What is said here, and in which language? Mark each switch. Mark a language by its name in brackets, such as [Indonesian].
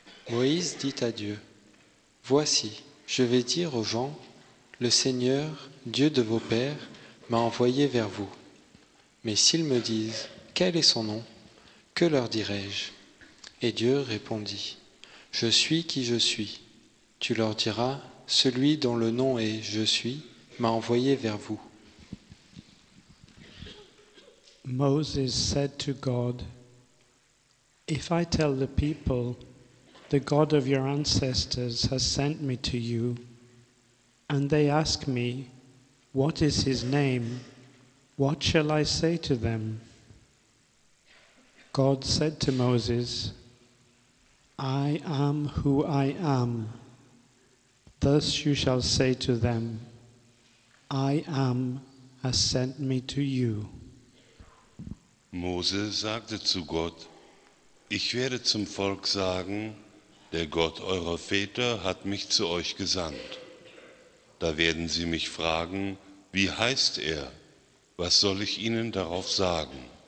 [French] Moïse dit à Dieu : Voici, je vais dire aux gens : Le Seigneur, Dieu de vos pères, m'a envoyé vers vous. Mais s'ils me disent : Quel est son nom ? Que leur dirai-je ? Et Dieu répondit : Je suis qui je suis. Tu leur diras : Celui dont le nom est Je suis m'a envoyé vers vous. [English] Moses said to God : If I tell the people, the God of your ancestors has sent me to you, and they ask me, what is his name? What shall I say to them? God said to Moses, I am who I am. Thus you shall say to them, I am has sent me to you. [German] Mose sagte zu Gott, ich werde zum Volk sagen, der Gott eurer Väter hat mich zu euch gesandt. Da werden sie mich fragen, wie heißt er? Was soll ich ihnen darauf sagen?